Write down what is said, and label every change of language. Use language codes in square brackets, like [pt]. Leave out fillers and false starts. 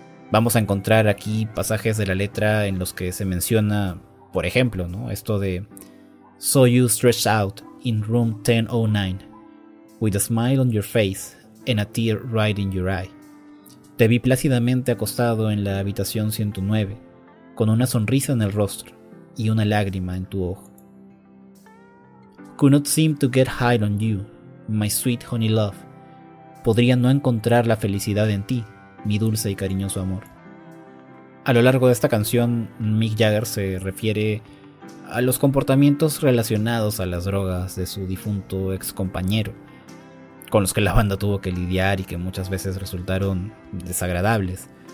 [es] Vamos a encontrar aquí pasajes de la letra en los que se menciona, por ejemplo, ¿no?, esto de [en] "Saw you stretched out in room 1009, with a smile on your face and a tear right in your eye. [es] Te vi plácidamente acostado en la habitación 109, con una sonrisa en el rostro y una lágrima en tu ojo. [en] Could not seem to get high on you, my sweet honey love. [es] Podría no encontrar la felicidad en ti, mi dulce y cariñoso amor". A lo largo de esta canción, Mick Jagger se refiere a los comportamientos relacionados a las drogas de su difunto ex compañero, con los que la banda tuvo que lidiar y que muchas veces resultaron desagradables.